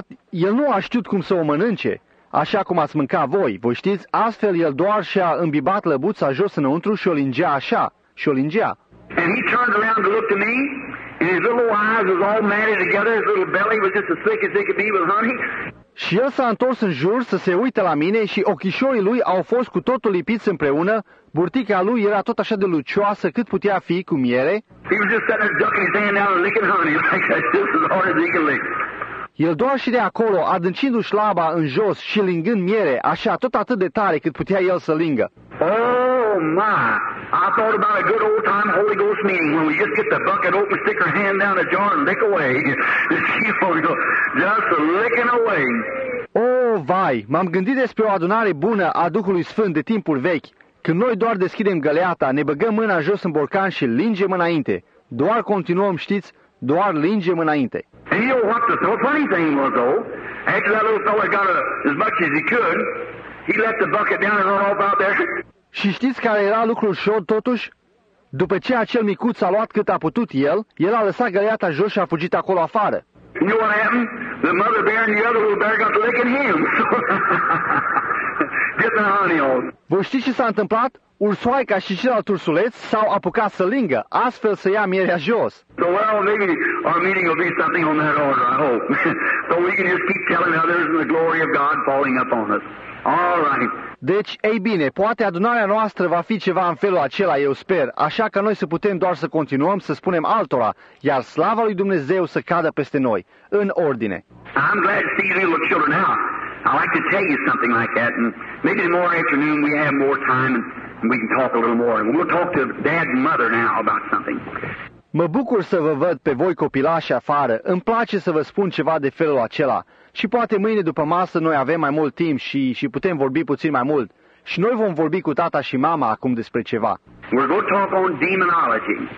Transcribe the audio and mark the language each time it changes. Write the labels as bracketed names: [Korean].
[Romanian] El nu a știut cum să o mănânce, așa cum ați mâncat voi, vă știți? Astfel el doar și-a îmbibat lăbuța jos înăuntru și o lingea așa, și o lingea. [English] And he turned around to look to me. And his little eyes was all matted together, his little belly was just as thick as it could be with honey. [Romanian] Și el s-a întors în jur să se uite la mine și ochișorii lui au fost cu totul lipiți împreună, burtica lui era tot așa de lucioasă cât putea fi cu miere. [English] He was just sitting there ducking his hand down and licking honey like that, just as hard as he can lick. [Romanian] El doar și de acolo, adâncindu-și laba în jos și lingând miere, așa, tot atât de tare cât putea el să lingă. [English] Oh, my! I thought about a good old-time Holy Ghost meeting when we just get the bucket open, stick our hand down the jar and lick away. Just licking away. [Romanian] Oh, vai! M-am gândit despre o adunare bună a Duhului Sfânt de timpul vechi, când noi doar deschidem găleata, ne băgăm mâna jos în borcan și lingem înainte. Doar continuăm, știți, doar lingem înainte. [English] And you know what the funny thing was, though? After that little fella got as much as he could, he let the bucket down and run off out there. [Romanian] Și știți care era lucrul șor, totuși? După ce acel micuț a luat cât a putut el, el a lăsat găleata jos și a fugit acolo afară. [English] You know what happened? The mother bear and the other little bear got licking him. Getting the honey on. [Romanian] Vă știți ce s-a întâmplat? Ursoaica și celălalt ursuleț s-au apucat să lingă, astfel să ia mierea jos. [English] So well, maybe our meeting will be something on that order, I hope. So we can just keep telling others the glory of God falling upon us. All right. [Romanian] Deci, ei bine, poate adunarea noastră va fi ceva în felul acela, eu sper, așa că noi să putem doar să continuăm să spunem altora, iar slava lui Dumnezeu să cadă peste noi, în ordine. [English] I'm glad to see little children now. I'd like to tell you something like that, and maybe tomorrow afternoon we have more time and we can talk a little more. And we'll talk to dad and mother now about something. [Romanian] Mă bucur să vă văd pe voi copilași afară. Îmi place să vă spun ceva de felul acela. Și poate mâine după masă noi avem mai mult timp și putem vorbi puțin mai mult. Și noi vom vorbi cu tata și mama acum despre ceva. [English] We're going to talk on demonology.